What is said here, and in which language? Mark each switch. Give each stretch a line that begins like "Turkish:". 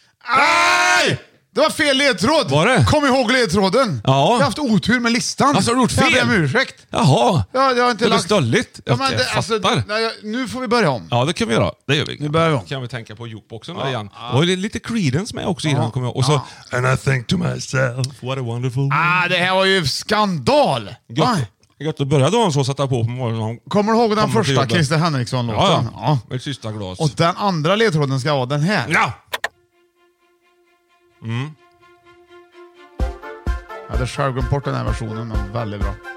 Swedish: Aj! Det var fel ledtråd. Var det? Kom ihåg ledtråden. Ja. Jag har haft otur med listan. Alltså, har du gjort fel? Jag ber om ursäkt. Jaha. Jag har inte lagt... Det blir stöldigt. Ja, alltså, nu får vi börja om. Ja, det kan vi göra. Det gör vi. Nu börjar vi om. Kan vi tänka på jukeboxen där igen. Och lite Creedence med också i den. Och så...
English: And I think to myself, what a wonderful world.
Swedish: Ah, det här var ju skandal. Gött att börja då han så sätta på morgonen. Kommer du ihåg den första Christer Henriksson-låten? Ja, ja. Med sista glas. Och den andra ledtråden ska vara den här. Ja. Ja, det är självklart den här versionen, men väldigt bra.